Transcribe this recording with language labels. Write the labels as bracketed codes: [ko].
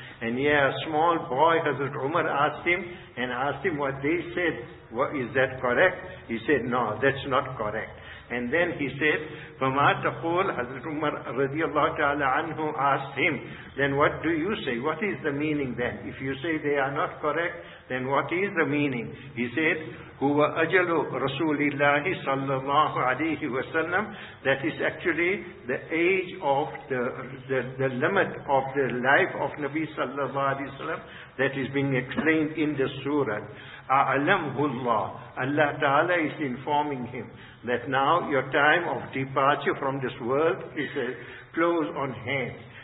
[en] And yeah, a small boy, Hazrat Umar, asked him what they said. Is that correct? He said, no, that's not correct. And then he said, [ar] فَمَا تَقُولْ. [en] Hazrat Umar [ar] رضي الله تعالى عنه [en] asked him, then what do you say? What is the meaning then? If you say they are not correct, then what is the meaning? He said, [ar] هُوَ أَجَلُ رَسُولِ اللَّهِ صَلَّى اللَّهُ عَلَيْهِ وَسَلَّمُ. [en] That is actually the age of the limit of the life of Nabi [ar] صلى الله عليه وسلم [en] that is being explained in the surah. [ar] أَعْلَمْهُ اللَّهُ. [en] Allah Ta'ala is informing him that now your time of departure from this world is close on hand.